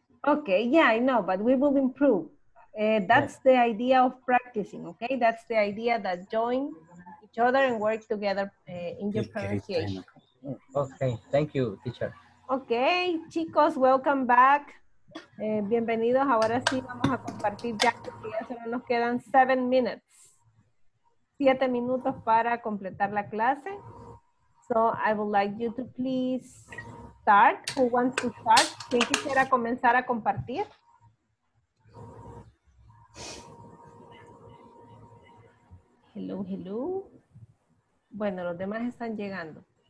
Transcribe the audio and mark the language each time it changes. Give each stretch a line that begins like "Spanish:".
English: Okay, yeah, I know, but we will improve. That's the idea of practicing, okay? That's the idea that join each other and work together in your pronunciation. Okay, thank you, teacher. Okay, chicos, welcome back.
Spanish: Bienvenidos, ahora sí vamos a compartir ya porque ya solo nos quedan 7 minutos para completar la clase.
English: So I would like you to please start. Who wants to start?
Spanish: ¿Quién quisiera comenzar a compartir? Hello. Bueno, los demás están llegando.